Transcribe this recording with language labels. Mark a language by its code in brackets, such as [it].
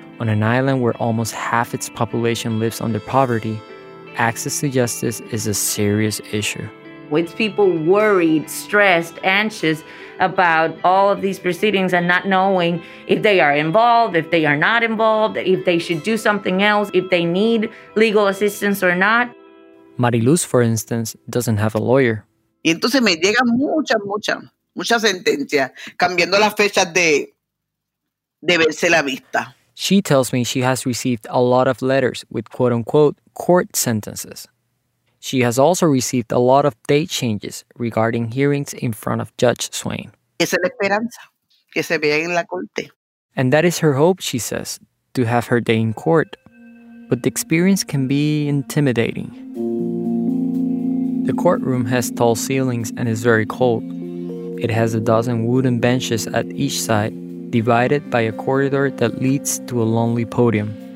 [en] On an island where almost half its population lives under poverty, access to justice is a serious issue. With people worried, stressed, anxious about all of these proceedings and not knowing if they are involved, if they are not involved, if they should do something else, if they need legal assistance or not. Mariluz, for instance, doesn't have a lawyer. [es] Y entonces me llegan muchas sentencias cambiando las fechas de verse la vista. [en] She tells me she has received a lot of letters with quote-unquote court sentences. She has also received a lot of date changes regarding hearings in front of Judge Swain. [es] Esa es la esperanza, que se vea en la corte. [en] And that is her hope, she says, to have her day in court. But the experience can be intimidating. The courtroom has tall ceilings and is very cold. It has a dozen wooden benches at each side, divided by a corridor that leads to a lonely podium.